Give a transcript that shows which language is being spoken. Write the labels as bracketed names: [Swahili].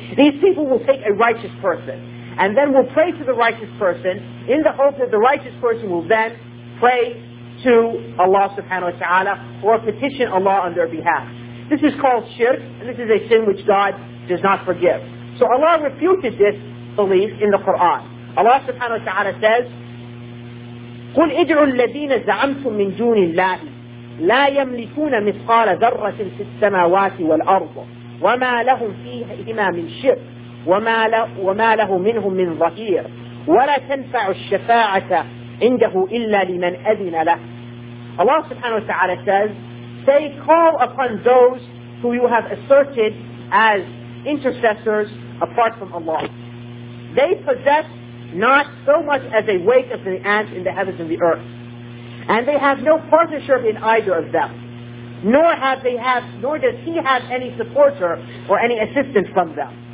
[English] These people will take a righteous person, and then will pray to the righteous person, in the hope that the righteous person will then pray to Allah subhanahu wa ta'ala, or petition Allah on their behalf. This is called shirk, and this is a sin which God does not forgive. So Allah refuted this belief in the Quran. [Arabic] Allah subhanahu wa ta'ala says, قُلْ اِدْعُوا الَّذِينَ زَعَمْتُمْ مِنْ دُونِ اللَّهِ لَا يَمْلِكُونَ مِثْقَالَ ذَرَّةٍ فِي السَّمَاوَاتِ وَالْأَرْضِ وَمَا لَهُمْ فِيهِمَا مِنْ شِرْكٍ وَمَا لَهُ مِنْهُمْ مِنْ ظَهِيرٍ وَلَا تَنْفَعُ الشَّفَاعَةَ عِنْدَهُ إِلَّا لِمَنْ أَذِنَ لَهُ. [English] Allah subhanahu wa ta'ala says, say, call upon those who you have asserted as intercessors apart from Allah. They possess not so much as a wake of the ant in the heavens and the earth. And they have no partnership in either of them. Nor does he have any supporter or any assistance from them.